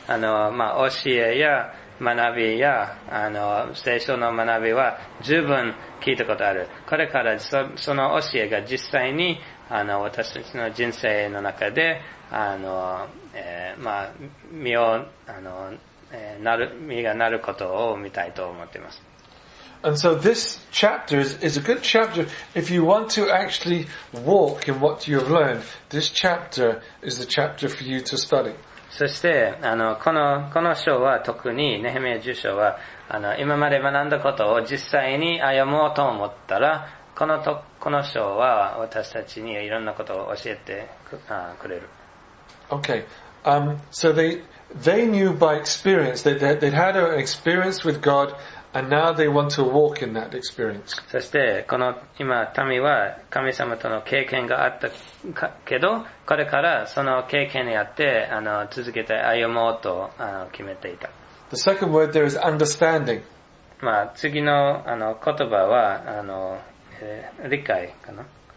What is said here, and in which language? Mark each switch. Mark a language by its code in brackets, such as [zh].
[ja] あの、まあ、教えや学びや、あの、聖書の学びは十分聞いたことある。これからその教えが実際に、あの、私たちの人生の中で、あの、まあ、身を、あの、なる、身がなることを見たいと思っています。 [en] And so this chapter is a good chapter if you want to actually walk in what you have learned. This chapter is the chapter for you to study. [ja] そしてあのこの章は特にネヘミヤ10章はあの今まで学んだことを実際に歩もうと思ったらこの章は私たちにいろんなことを教えて くれる。 [en] Okay. So they knew by experience that they'd had an experience with God. And now they want to walk in that experience. [ja] そしてこの今民は神様との経験があったけど、これからその経験にあってあの続けて歩もうと決めていた。 [en] The second word there is understanding. [ja] まあ、次の、あの、言葉は、あの、理解かな？